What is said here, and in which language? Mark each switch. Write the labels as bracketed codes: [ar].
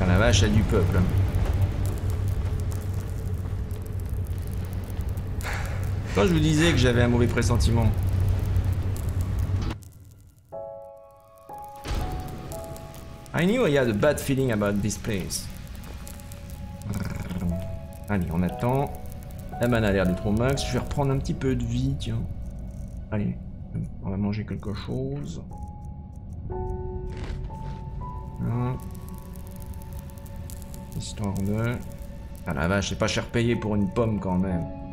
[fr] Achat du peuple. Quand je vous disais que j'avais un mauvais pressentiment. [en] I knew I had a bad feeling about this place. [fr] Allez, on attend. La mana a l'air d'être au max. Je vais reprendre un petit peu de vie, tiens. Allez, on va manger quelque chose. Histoire de... Ah la vache, c'est pas cher payé pour une pomme quand même.